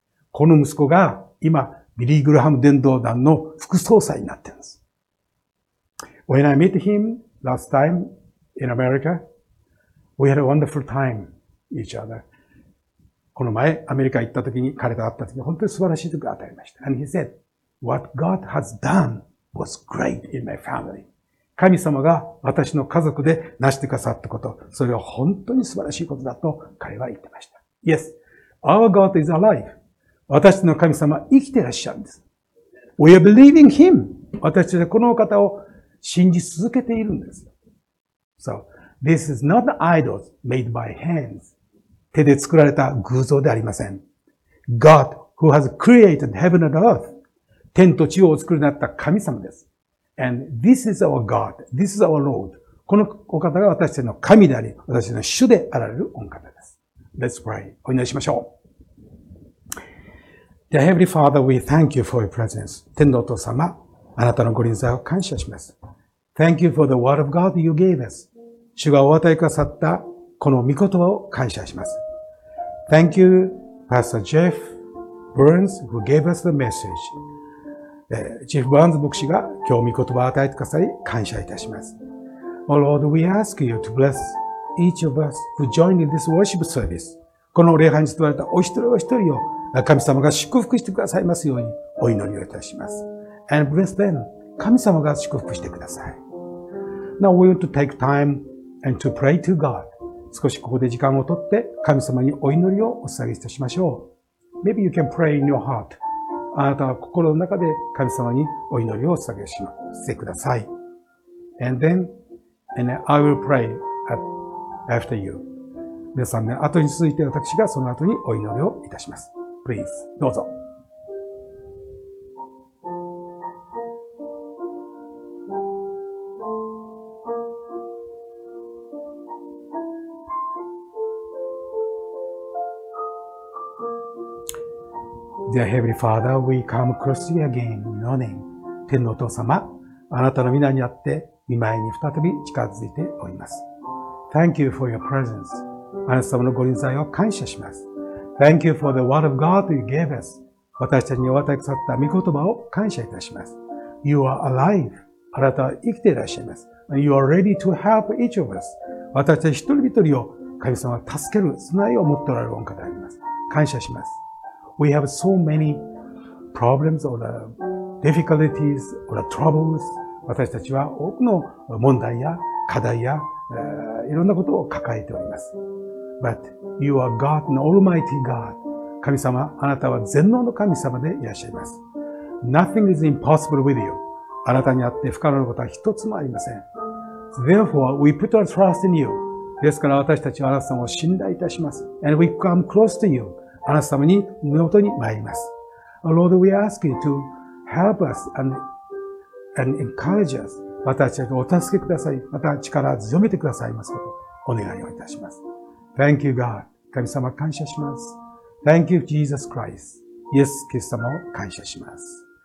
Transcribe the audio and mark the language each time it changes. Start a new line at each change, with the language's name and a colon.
Japanese: この息子が今、ビリー・グラハム伝道団の副総裁になっています。
English: When I met him last time in America, we had a wonderful time each other.
Japanese: この前、アメリカ行った時に、彼と会った時に本当に素晴らしい時を与えました。
English: And he said, what God has done was great in my family.
Japanese: 神様が私の家族で成してくださったこと、それは本当に素晴らしいことだと彼は言ってました。
English: Yes, our God is alive.
Japanese: 私の神様生きていらっしゃるんです。
English: We are believing him.
Japanese: 私たちはこの方を信じ続けているんです。
English: So, this is not the idols made by hands.
Japanese: 手で作られた偶像ではありません。
English: God, who has created heaven and earth.
Japanese: 天と地をお作りになった神様です。
English: And this is our God. This is our Lord.
Japanese: このお方が私たちの神であり、私たちの主であられるお方です。
English: Let's pray.
Japanese: お祈りしましょう。
English: Dear Heavenly Father, we thank you for your presence.
Japanese: 天のお父様。あなたのご臨在を感謝します。
English: Thank you for the word of God you gave us.
Japanese: 主がお与えくださったこの御言葉を感謝します。
English: Thank you, Pastor Jeff Burns, who gave us the message.
Japanese: Jeff Burns 牧師が今日御言葉を与えてくださり感謝いたします。
English: Oh Lord, we ask you to bless each of us who joined in this worship service.
Japanese: この礼拝に集われたお一人お一人を神様が祝福してくださいますようにお祈りをいたします。
English: And bless them.
Japanese: 神様が祝福してください。
English: Now we want to take time and to pray to God.
Japanese: 少しここで時間をとって神様にお祈りをお捧げいたしましょう。
English: Maybe you can pray in your heart.
Japanese: あなたは心の中で神様にお祈りをお捧げしてください。
English: And then I will pray after you.
Japanese: 皆さんね、後に続いて私がその後にお祈りをいたします。
English: Please,
Japanese: どうぞ。
English: Dear Heavenly Father, we come across you again in your name.
Japanese: 天のお父様、あなたの御名にあって、御前に再び近づいております。
English: Thank you for your presence.
Japanese: あなた様のご臨在を感謝します。
English: Thank you for the word of God you gave us.
Japanese: 私たちにお与えくださった御言葉を感謝いたします。
English: You are alive.
Japanese: あなたは生きていらっしゃいます。
English: And you are ready to help each of us.
Japanese: 私たち一人一人を神様は助ける備えを持っておられる御方であります。感謝します。
English: We have so many problems or difficulties or troubles.
Japanese: 私たちは多くの問題や課題やいろんなことを抱えております。
English: But you are God, an Almighty God.
Japanese: 神様、あなたは全能の神様でいらっしゃいます。
English: Nothing is impossible with you.
Japanese: あなたにあって不可能なことは一つもありません。
English: So、therefore, we put our trust in you.
Japanese: ですから私たちはあなた様を信頼いたします。
English: And we come close to you.
Japanese: あなた様に身元に参ります。
English: Lord, we ask you to help us and encourage us.
Japanese: 私たちをお助けください。また力を強めてくださいますことをお願いをいたします。
English: Thank you, God.
Japanese: 神様感謝します。
English: Thank you, Jesus Christ.
Japanese: イエス・キリスト様を感謝します。